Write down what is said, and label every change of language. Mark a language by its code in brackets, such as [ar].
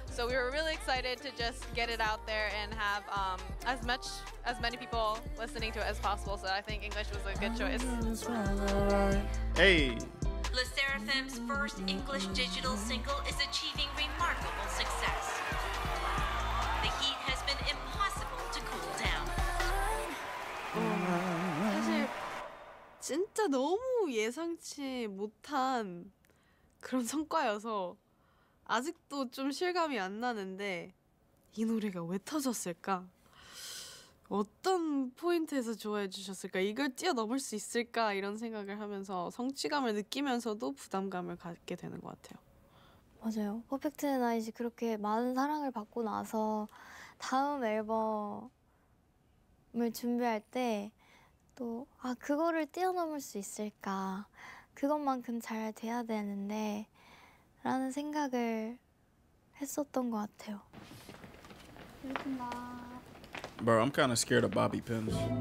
[en] So, we were really excited to just get it out there and have as many people listening to it as possible. So, I think English was a good choice. Hey. LUSERAFIM's first English digital single is achieving remarkable success. The heat has been impossible to cool down. [ko] 사실 진짜 너무 예상치 못한 그런 성과여서 아직도 좀 실감이 안 나는데 이 노래가 왜 터졌을까? 어떤 포인트에서 좋아해 주셨을까? 이걸 뛰어넘을 수 있을까? 이런 생각을 하면서 성취감을 느끼면서도 부담감을 갖게 되는 것 같아요. 맞아요. 퍼펙트 나잇이 그렇게 많은 사랑을 받고 나서 다음 앨범을 준비할 때 또 아 그거를 뛰어넘을 수 있을까? 그것만큼 잘 돼야 되는데 라는 생각을 했었던 것 같아요. 그렇습니다. [en] Bro, I'm kind of scared of bobby pins.